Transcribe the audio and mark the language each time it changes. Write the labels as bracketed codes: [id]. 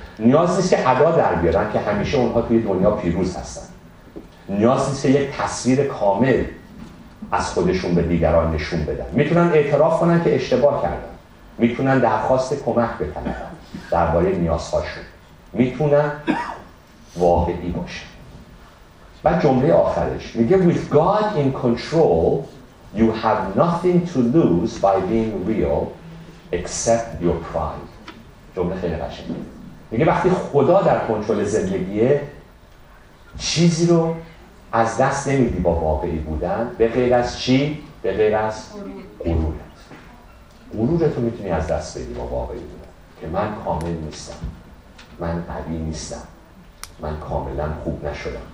[fa] نیاز نیست که ادا در بیارن که همیشه اونها توی دنیا پیروز هستن. نیاز نیست که یک تصویر کامل از خودشون به دیگران نشون بدن. میتونن اعتراف کنن که اشتباه کردن. میتونن درخواست کمک بکنن درباره نیازهاشون. میتونن واقعی باشن. بعد جمله آخرش میگه [en] With God in control, you have nothing to lose by being real except your pride. [fa] جمله خیلی قشنگه. میگه وقتی خدا در کنترل زندگیه چیزی رو از دست نمیدی با واقعی بودن به غیر از چی؟ به غیر از غرورت. غرورت رو میتونی از دست بدی با واقعی بودن که من کامل نیستم، من قوی نیستم، من کاملا خوب نشدم.